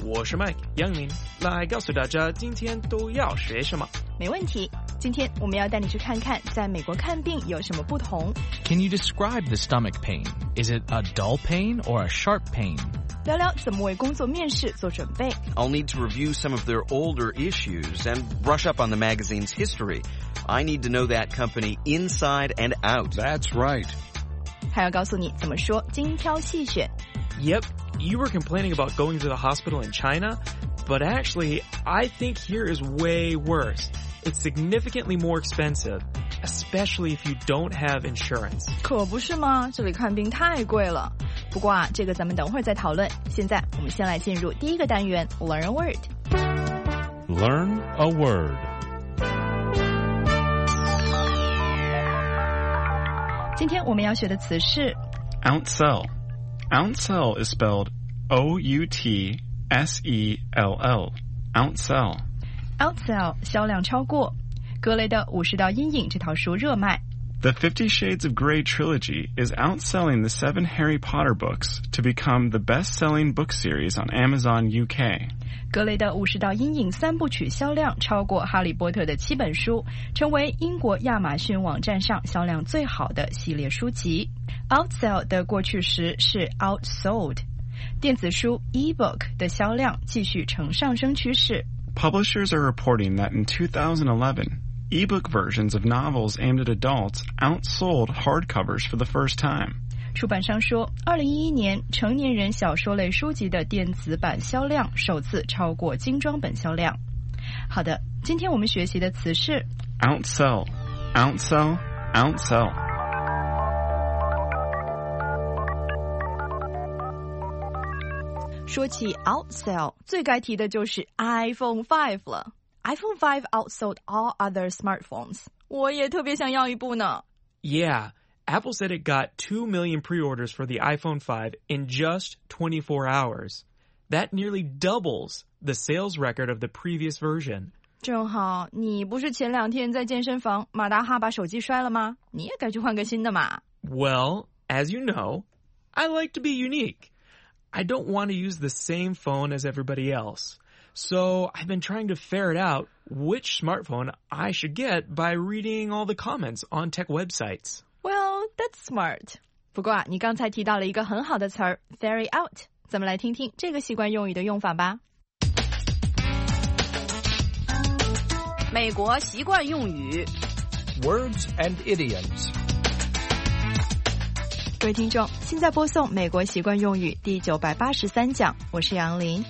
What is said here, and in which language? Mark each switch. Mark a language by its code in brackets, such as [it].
[zh] 我是 Mike 杨林，来告诉大家今天都要学什么。没问题，今天我们要带你去看看在美国看病有什么不同。 [en] Can you describe the stomach pain? Is it a dull pain or a sharp pain? [zh] 聊聊怎么为工作面试做准备。 [en] I'll need to review some of their older issues and brush up on the magazine's history. I need to know that company inside and out. That's right. [zh] 还要告诉你怎么说精挑细选。 [en] Yep, you were complaining about going to the hospital in China, but actually, I think here is way worse. It's significantly more expensive, especially if you don't have insurance. [zh] 可不是吗？这里看病太贵了。不过啊，这个咱们等会儿再讨论。现在我们先来进入第一个单元 , [en] Learn a Word。 Learn a Word。 [zh] 今天我们要学的词是 [en] Outsell. Outsell is spelled O-U-T-S-E-L-L. Outsell. [zh] Outsell 销量超过格雷的五十道阴影这套书热卖。 [en] The 50 Shades of Grey trilogy is outselling the 7 Harry Potter books to become the best-selling book series on Amazon UK. [zh] 格雷的五十道阴影三部曲销量超过哈利波特的七本书，成为英国亚马逊网站上销量最好的系列书籍。 Outsell 的过去时是 outsold. 电子书 e-book 的销量继续呈上升趋势。 [en] Publishers are reporting that in 2011,E-book versions of novels aimed at adults outsold hardcovers for the first time. [zh] 出版商说2011年成年人小说类书籍的电子版销量首次超过精装本销量。好的，今天我们学习的词是 [en] Outsell, outsell, outsell. [zh] 说起 outsell, 最该提的就是 iPhone 5了。 [en] iPhone 5 outsold all other smartphones. [zh] 我也特别想要一部呢。 [en] Yeah, Apple said it got 2 million pre-orders for the iPhone 5 in just 24 hours. That nearly doubles the sales record of the previous version. [zh] 正好，你不是前两天在健身房，马大哈把手机摔了吗？你也该去换个新的嘛。 [en] Well, as you know, I like to be unique. I don't want to use the same phone as everybody else. So, I've been trying to ferret out which smartphone I should get by reading all the comments on tech websites. Well, that's smart. [zh] 不过啊，你刚才提到了一个很好的词儿 ,ferret out. 咱们来听听这个习惯用语的用法吧。美国习惯用语 [en] Words and idioms. [zh] 各位听众，现在播送美国习惯用语第983讲，我是杨林，